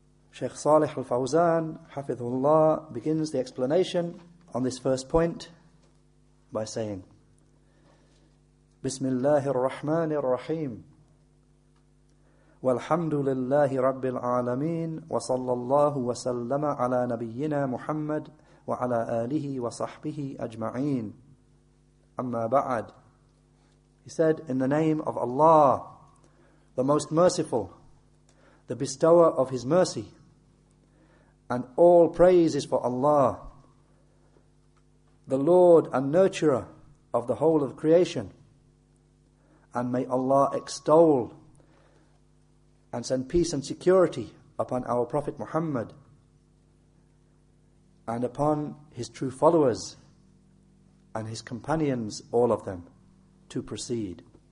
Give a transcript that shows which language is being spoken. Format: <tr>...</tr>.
<en>Sheikh Salih al-Fawzan, Hafidhullah, begins the explanation on this first point by saying, Bismillahir Rahmanir Rahim.</en> <ar>والحمد لله رب العالمين وصلى الله وسلم على نبينا محمد وعلى آله وصحبه أجمعين أما بعد.</ar> <en>He said, in the name of Allah, the Most Merciful, the Bestower of His Mercy, and all praise is for Allah, the Lord and Nurturer of the whole of creation, and may Allah extol and send peace and security upon our Prophet Muhammad and upon his true followers and his companions, all of them, to proceed.</en>